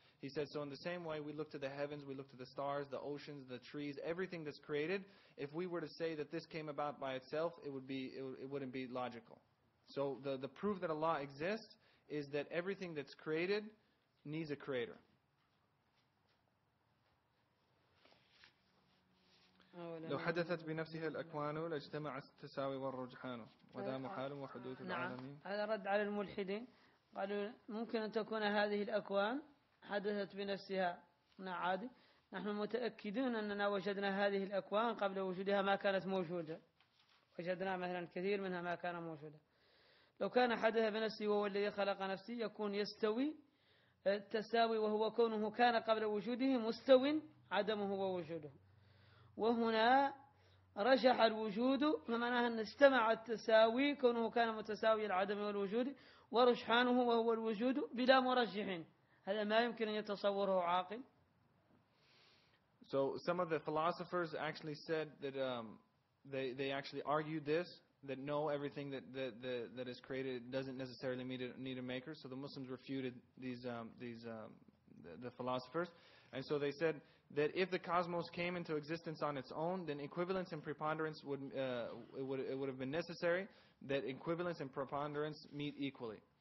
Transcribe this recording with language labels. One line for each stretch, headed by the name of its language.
English: He said, so in the same way we look to the heavens, we look to the stars, the oceans, the trees, everything that's created, if we were to say that this came about by itself, it wouldn't be logical. So the proof that Allah exists is that everything that's created needs a creator.
Arabic: لو حدثت بنفسها الأكوان لاجتمع التساوي والرجحان وذا محال وحدوث العالمين. هذا رد على الملحدين، قالوا ممكن أن تكون هذه الأكوان حدثت بنفسها. نعم عادي، نحن متأكدون أننا وجدنا هذه الأكوان قبل وجودها ما كانت موجودة، وجدنا مثلا كثير منها ما كان موجودة. لو كان حدث بنفسه وهو الذي خلق نفسه يكون يستوي التساوي، وهو كونه كان قبل وجوده مستو عدمه ووجوده. وهنا رجح الوجود فمعناها أن اجتمع التساوي كونه كان متساوي العدم والوجود، ورجحانه وهو الوجود بلا مرجح. هذا ما يمكن أن يتصوره عاقل.
English: So some of the philosophers actually said that they actually argued this, that no, everything that is created doesn't necessarily need a maker. So the Muslims refuted the philosophers. And so they said that if the cosmos came into existence on its own, then equivalence and preponderance would have been necessary, that equivalence and preponderance meet equally.